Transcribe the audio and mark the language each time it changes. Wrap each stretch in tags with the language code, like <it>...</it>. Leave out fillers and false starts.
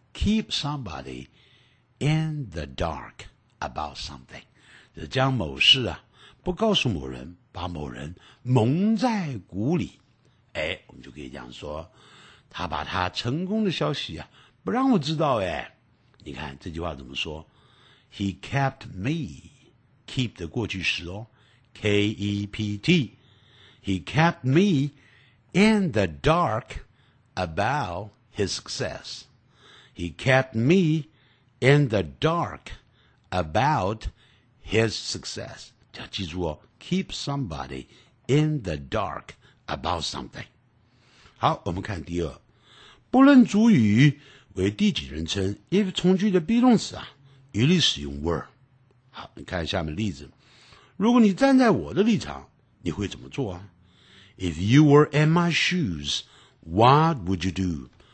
<en>Keep somebody in the dark about something，</en> <zh>就将某事啊不告诉某人，把某人蒙在鼓里。哎，我们就可以讲说，他把他成功的消息啊不让我知道。哎，你看这句话怎么说？</zh> <en>He kept me， keep</en> <zh>的过去时哦，</zh> <en>K-E-P-T, he kept me in the dark about his success. He kept me in the dark about his success.</en> <zh>要记住哦，</zh> <en>keep somebody in the dark about something.</en> <zh>好，我们看第二，不论主语为第几人称， if 从句的 be 动词啊，一律使用 were。好，你看下面例子，如果你站在我的立场，你会怎么做啊？</zh> <en>If you were in my shoes, what would you do?</en>